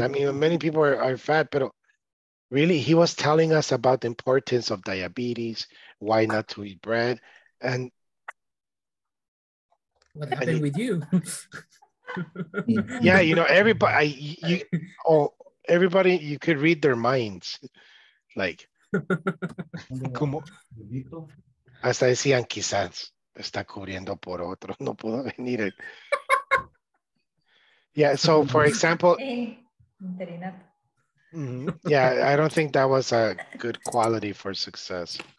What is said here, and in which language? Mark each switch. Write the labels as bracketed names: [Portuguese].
[English] I mean, many people are fat, but really, he was telling us about the importance of diabetes, why not to eat bread. And what happened with you? Yeah, you know, everybody, you could read their minds. [Spanish] Like, como, hasta decían quizás está cubriendo por otro, no puedo venir. [English] Yeah, so for example, yeah, I don't think that was a good quality for success.